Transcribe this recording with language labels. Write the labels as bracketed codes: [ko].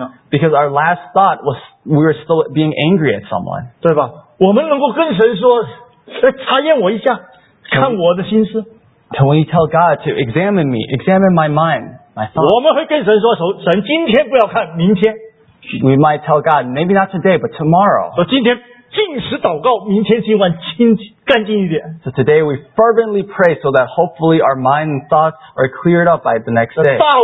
[en] Because our last thought was we were still being angry at someone. [zh] 对吧? 我们能够跟神说, 查验我一下, 看我的心思。 [en] Can we tell God to examine me, examine my mind, my thoughts? [zh] 我们会跟神说, 神今天不要看, [en] we might tell God, maybe not today, but tomorrow. [zh] 禁食祷告,明天今晚清,干净一点。 [en] So today we fervently pray so that hopefully our mind and thoughts are cleared up by the next day.